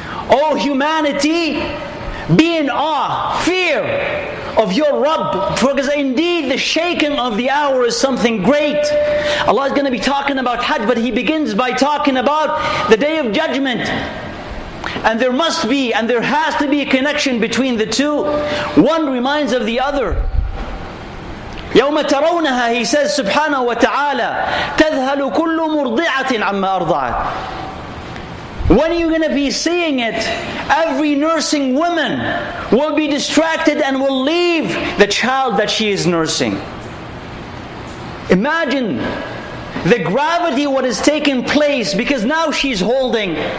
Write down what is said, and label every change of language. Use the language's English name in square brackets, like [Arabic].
[English] Oh humanity, be in awe, fear of your Rabb, because indeed the shaking of the hour is something great. Allah is going to be talking about Hajj, but He begins by talking about the Day of Judgment. And there must be, and there has to be a connection between the two. One reminds of the other. [Arabic] يَوْمَ تَرَوْنَهَا, [English] He says, [Arabic] سُبْحَانَهُ وَتَعَالَى تَذْهَلُ كُلُّ مُرْضِعَةٍ عَمَّا أَرْضَعَتْ. [English] When are you going to be seeing it? Every nursing woman will be distracted and will leave the child that she is nursing. Imagine the gravity of what has taken place, because now she's holding.